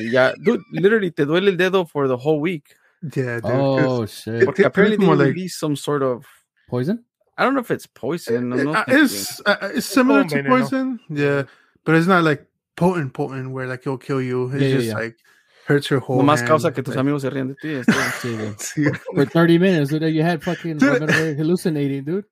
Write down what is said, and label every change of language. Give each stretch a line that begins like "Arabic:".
English: Yeah, dude, literally, te duele el dedo for the whole week. Yeah, dude. Oh, shit. Porque apparently they released some sort of... Poison? I don't know if it's poison. It's similar to poison. No. Yeah, but it's not like potent where like it'll kill you. It's like hurts your whole hand.
Spanish: Causa que tus amigos se rían de ti.
English: For 30 minutes, dude, you had fucking hallucinating, dude.